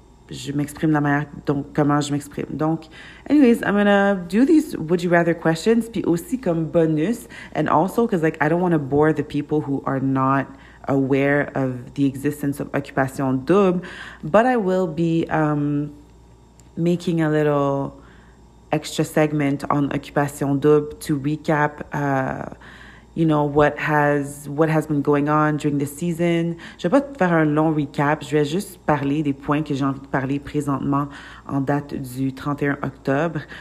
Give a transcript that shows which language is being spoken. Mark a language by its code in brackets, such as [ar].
[fr] Je m'exprime de la manière donc comment je m'exprime. [en] Donc, anyways, I'm gonna do these would you rather questions, puis aussi comme bonus, and also because like I don't want to bore the people who are not aware of the existence of occupation double, but I will be making a little extra segment on occupation double to recap, what has been going on during the season. [fr] Je vais pas te faire un long recap, je vais juste parler des points que j'ai envie de parler présentement en date du 31 octobre.